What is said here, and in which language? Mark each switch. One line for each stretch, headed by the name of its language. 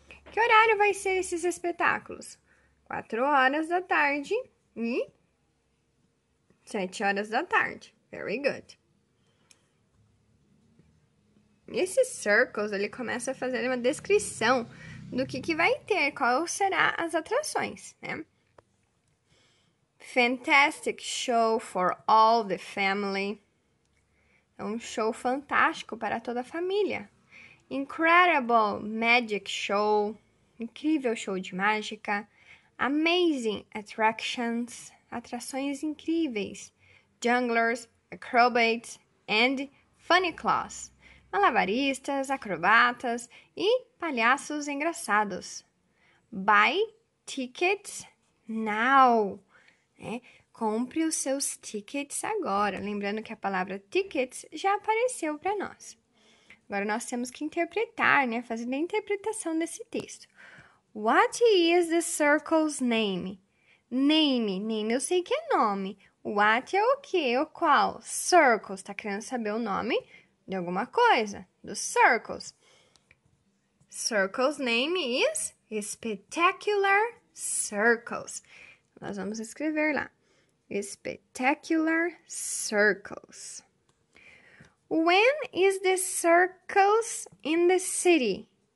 Portuguese: Que horário vai ser esses espetáculos? 4 horas da tarde e 7 horas da tarde.
English: Very good.
Portuguese: Esses circles, ele começa a fazer uma descrição do que vai ter, qual será as atrações, né?
English: Fantastic show for all the family.
Portuguese: É um show fantástico para toda a família.
English: Incredible magic show.
Portuguese: Incrível show de mágica.
English: Amazing attractions.
Portuguese: Atrações incríveis.
English: Junglers, acrobats and funny clowns.
Portuguese: Malabaristas, acrobatas e palhaços engraçados.
English: Buy tickets now.
Portuguese: Né? Compre os seus tickets agora. Lembrando que a palavra tickets já apareceu para nós. Agora nós temos que interpretar, né? Fazer a interpretação desse texto.
English: What is the circle's name?
Portuguese: Name. Name eu sei que é nome. What é o quê? O qual? Circles. Está querendo saber o nome de alguma coisa. Dos circles.
English: Circle's name is Spectacular Circles.
Portuguese: Nós vamos escrever lá. Spectacular Circles.
English: When is the circles in the city?